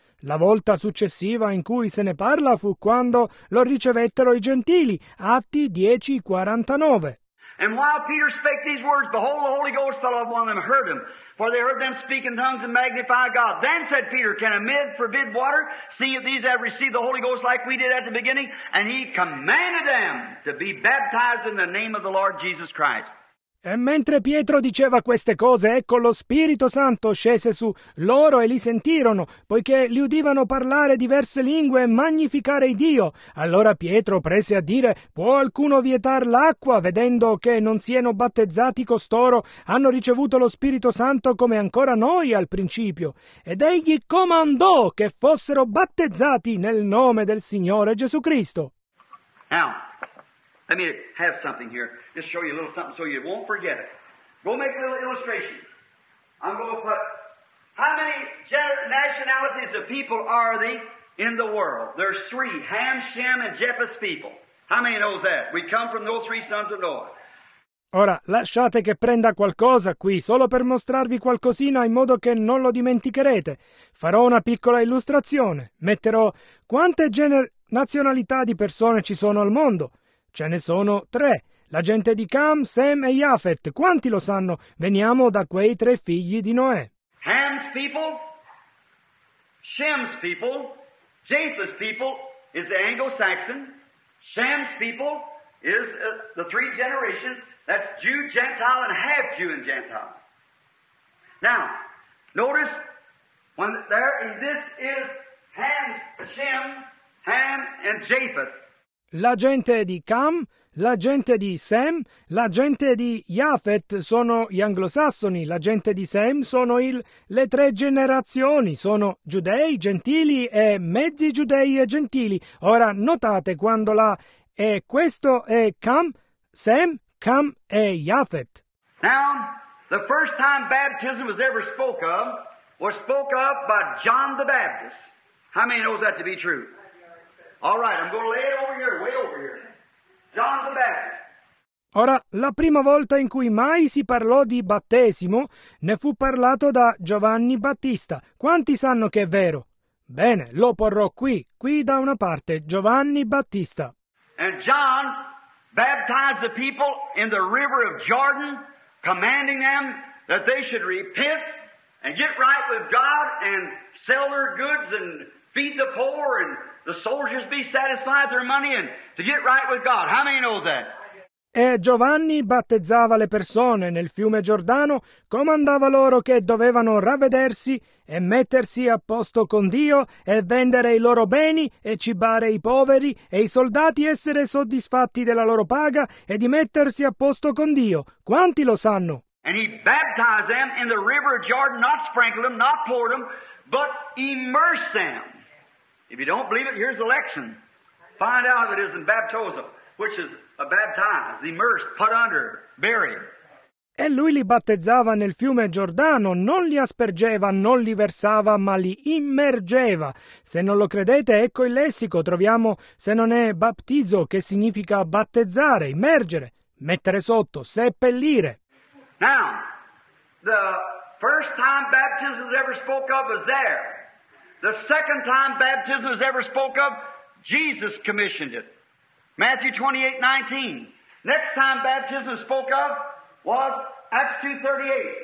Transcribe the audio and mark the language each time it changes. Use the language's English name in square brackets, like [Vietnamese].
[Italian] La volta successiva in cui se ne parla fu quando lo ricevettero i gentili, Atti 10:49. [English] And while Peter spake these words, behold, the Holy Ghost fell upon them and heard them, for they heard them speak in tongues and magnify God. Then said Peter, Can a man forbid water, seeing that these have received the Holy Ghost like we did at the beginning? And he commanded them to be baptized in the name of the Lord Jesus Christ. [Italian] E mentre Pietro diceva queste cose, ecco lo Spirito Santo scese su loro e li sentirono, poiché li udivano parlare diverse lingue e magnificare Dio. Allora Pietro prese a dire, può alcuno vietar l'acqua, vedendo che non siano battezzati costoro, hanno ricevuto lo Spirito Santo come ancora noi al principio. Ed egli comandò che fossero battezzati nel nome del Signore Gesù Cristo. [English] Now. Let me have something here. Just show you a little something so you won't forget it. Go make a little illustration. I'm going to put, how many nationalities of people are there in the world? There's 3, Ham, Shem, and Japheth's people. How many knows that? We come from those 3 sons of Noah. [Italian] Ora, lasciate che prenda qualcosa qui, solo per mostrarvi qualcosina in modo che non lo dimenticherete. Farò una piccola illustrazione. Metterò quante nazionalità di persone ci sono al mondo. Ce ne sono 3, La gente di Cam, Sem e Japhet, quanti lo sanno? Veniamo da quei tre figli di Noè. [English] Ham's people, Shem's people, Japheth's people is the Anglo-Saxon. Shem's people is the three generations. That's Jew, Gentile, and half Jew and Gentile. Now, notice when there is, this is Ham, Shem, Ham, and Japheth. [Italian] La gente di Cam, la gente di Sem, la gente di Japhet sono gli anglosassoni, la gente di Sem sono le tre generazioni, sono giudei, gentili e mezzi giudei e gentili. Ora notate quando la e questo è Cam, Sem, Cam e Japhet. [English] Now, the first time baptism was ever spoke of was spoke of by John the Baptist. How many knows that to be true? All right, I'm going to lay it over here, way over here. John the Baptist. [Italian] Ora, la prima volta in cui mai si parlò di battesimo ne fu parlato da Giovanni Battista. Quanti sanno che è vero? Bene, lo porrò qui da una parte, Giovanni Battista. [English] And John baptized the people in the river of Jordan, commanding them that they should repent and get right with God and sell their goods and feed the poor and the soldiers be satisfied their money and to get right with God. How many knows that? [Italian] E Giovanni battezzava le persone nel fiume Giordano, comandava loro che dovevano ravvedersi e mettersi a posto con Dio e vendere i loro beni e cibare i poveri e i soldati essere soddisfatti della loro paga e di mettersi a posto con Dio. Quanti lo sanno? [English] And he baptized them in the river of Jordan, not sprinkled them, not poured them, but immersed them. If you don't believe it, here's the lesson. Find out if it isn't baptism, which is a baptized, immersed, put under, buried. [Italian] E lui li battezzava nel fiume Giordano, non li aspergeva, non li versava, ma li immergeva. Se non lo credete, ecco il lessico. Troviamo, se non è baptizo, che significa battezzare, immergere, mettere sotto, seppellire. [English] Now, the first time baptism was ever spoke of was there. The second time baptism is ever spoke of, Jesus commissioned it. Matthew 28:19. Next time baptism spoke of was Acts 2:38.